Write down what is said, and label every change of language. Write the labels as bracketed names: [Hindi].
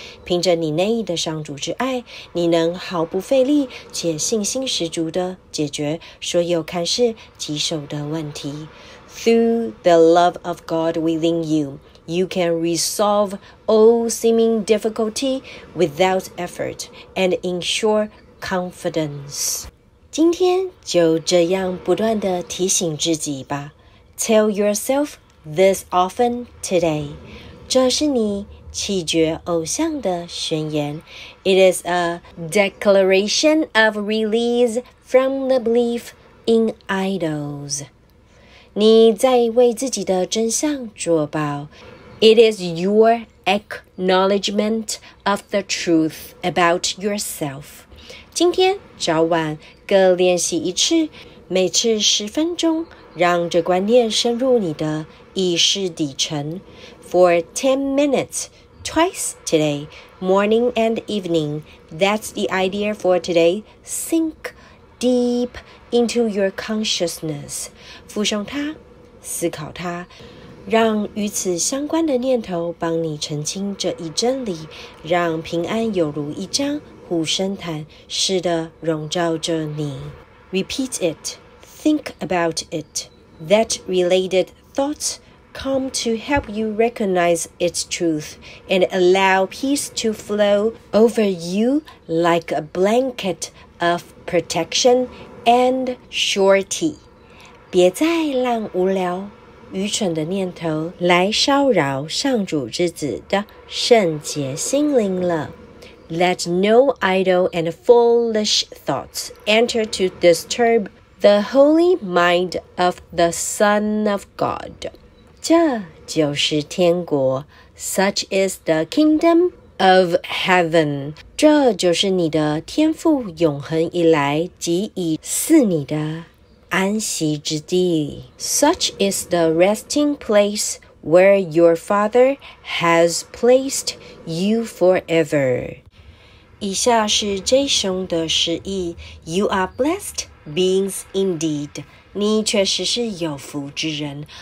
[Chinese] 凭着你内的上主之爱，你能毫不费力且信心十足地解决所有看似棘手的问题。 [English] Through the love of God within you, you can resolve all seeming difficulty without effort and ensure confidence. [Chinese] 今天就这样不断地提醒自己吧。 [English] Tell yourself this often today. [Chinese] 这是你弃绝偶像的宣言。 [English] It is a declaration of release from the belief in idols. [Chinese] 你在为自己的真相作保。 [English] It is your acknowledgement of the truth about yourself. [Chinese] 今天早晚各练习一次，每次十分钟，让这观念深入你的意识底层。 [English] For 10 minutes, twice today, morning and evening, that's the idea for today. Sink deep into your consciousness. [Chinese] 附送它，思考它。让与此相关的念头帮你澄清这一真理，让平安有如一张护身毯似的笼罩着你。 [English] Repeat it. Think about it. That related thoughts come to help you recognize its truth and allow peace to flow over you like a blanket of protection and surety. [Chinese] 别再让无聊愚蠢的念头来骚扰上主之子的圣洁心灵了。 [English] Let no idle and foolish thoughts enter to disturb the holy mind of the Son of God. [Chinese] 这就是天国。 [English] Such is the kingdom of heaven. [Chinese] 这就是你的天父永恒以来即已赐你的安息之地。 [English] Such is the resting place where your father has placed you forever. [Chinese] 以下是 J 兄的诗意。 [English] You are blessed beings indeed. [Chinese] 你确实是有福之人。